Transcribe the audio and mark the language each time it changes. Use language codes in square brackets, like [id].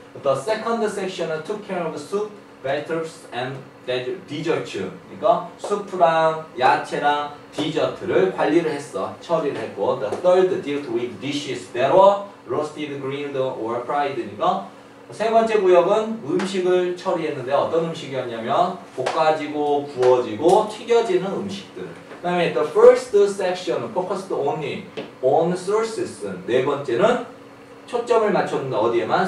[en] The second section [ko] 은 [en] took care of soup, vegetables and desserts. [ko] 그러니까 수프랑 야채랑 디저트를 관리를 했어. 처리를 했고 [en] The third dealt with dishes that were roasted, grilled or fried. [ko] 그러니까 세 번째 구역은 음식을 처리했는데 어떤 음식이었냐면 볶아지고 구워지고 튀겨지는 음식들. 그 다음에 [en] the first section, focused only on sources. [ko] 네 번째는 초점을 맞췄는데 어디에만?